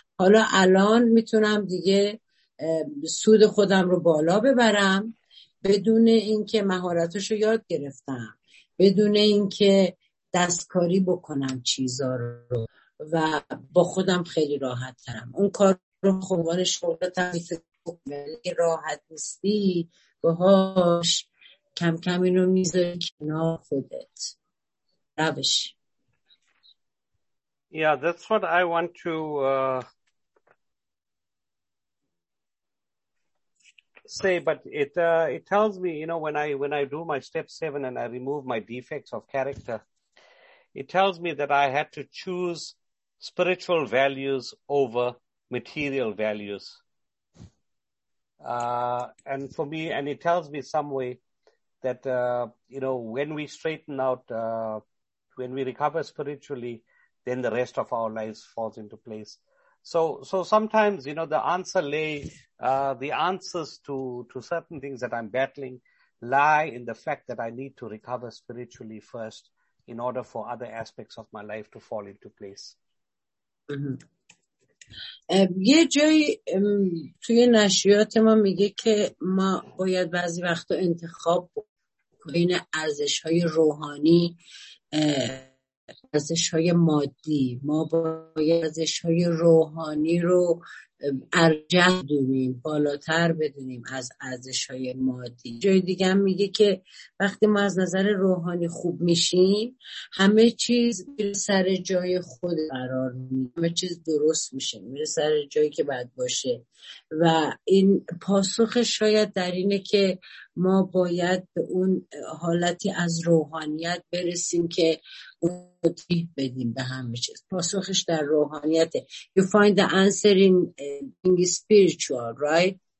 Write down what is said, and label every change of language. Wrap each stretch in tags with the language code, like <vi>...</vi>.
<fa>حالا الان میتونم دیگه سود خودم رو بالا ببرم بدون اینکه مهارتشو یاد گرفتم، بدون اینکه دستکاری بکنم چیزا رو، و با خودم خیلی راحت ترم. اون کار رو خوبان شغل تعریف کنم، راحت نیستی باهاش کم کم اینو میذاری کنار خودت روش.</fa> <en>Yeah, that's what I want to say, but it tells me, you know, when I do my step 7 and I remove my defects of character, it tells me that I had to choose spiritual values over material values. And for me, and it tells me some way that, you know, when we straighten out, when we recover spiritually, then the rest of our lives falls into place. So sometimes, you know, the answer lay, the answers to certain things that I'm battling lie in the fact that I need to recover spiritually first in order for other aspects of my life to fall into place.</en> <fa>یه جایی توی نشریات ما میگه که ما باید بعضی وقتا انتخاب بین ارزش‌های روحانی ارزش‌های مادی، ما باید ارزش‌های روحانی رو ارجح بدونیم، بالاتر بدونیم از ارزش‌های مادی. جای دیگه هم میگه که وقتی ما از نظر روحانی خوب میشیم، همه چیز میره سر جای خود قرار میگیره، همه چیز درست میشه، میره سر جایی که باید باشه. و این پاسخ شاید در اینه که ما باید به اون حالتی از روحانیت برسیم که توضیح بدیم به همه چیز. پاسخش در روحانیته.</fa> <en>You find the answer in being spiritual, right?</en>